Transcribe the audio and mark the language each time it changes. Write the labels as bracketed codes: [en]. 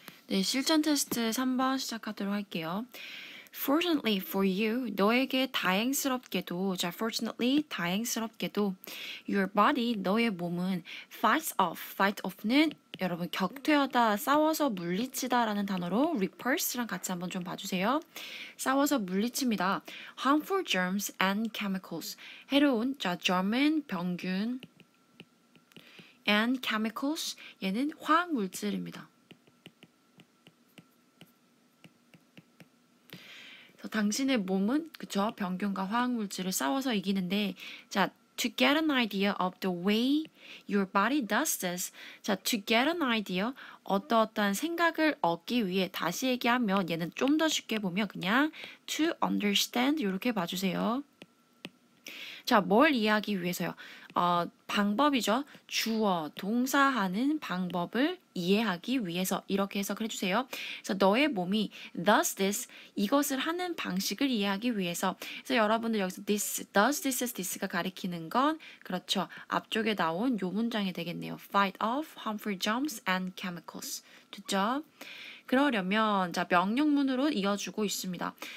[ko] 네, 실전 테스트 3번 시작하도록 할게요. [en] Fortunately for you, [ko] 너에게 다행스럽게도, [en] 자, fortunately, [ko] 다행스럽게도, [en] your body, [ko] 너의 몸은 [en] fights off. [ko] Fight off는 여러분 격퇴하다, 싸워서 물리치다라는 단어로 repulse랑 같이 한번 좀 봐주세요. 싸워서 물리칩니다. [en] Harmful germs and chemicals. [ko] 해로운, 자, germ은 병균, and chemicals 얘는 화학 물질입니다. 당신의 몸은 그쵸 병균과 화학 물질을 싸워서 이기는데 자 [en] to get an idea of the way your body does this [ko] 자 [en] to get an idea [ko] 어떠어떠한 생각을 얻기 위해 다시 얘기하면 얘는 좀더 쉽게 보면 그냥 [en] to understand [ko] 이렇게 봐주세요 자뭘 이해하기 위해서요 방법이죠 주어 동사하는 방법을 이해하기 위해서 이렇게 해석을 해주세요. 그래서 너의 몸이 [en] does this [ko] 이것을 하는 방식을 이해하기 위해서. 그래서 여러분들 여기서 this, does this, this가 가리키는 건 그렇죠. 앞쪽에 나온 요 문장이 되겠네요. [en] Fight off harmful germs and chemicals. [ko] 됐죠? 그러려면 자 명령문으로 이어주고 있습니다.